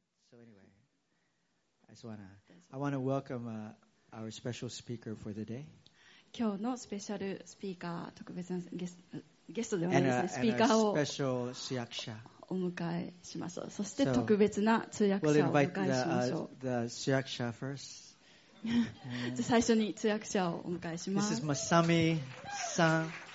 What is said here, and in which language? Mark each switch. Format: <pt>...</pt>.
<en>So anyway, I want to welcome our special speaker for the day.</en> <ja>今日のスペシャルスピーカー、特別なゲストではないですね、スピーカーをスペシャルお迎えしましょう。そして特別な通訳者をお迎えしましょう。</ja> <en>The 通訳者first.</en> <ja>最初に通訳者をお迎えします。</ja> <en>This is Masami さん。</en>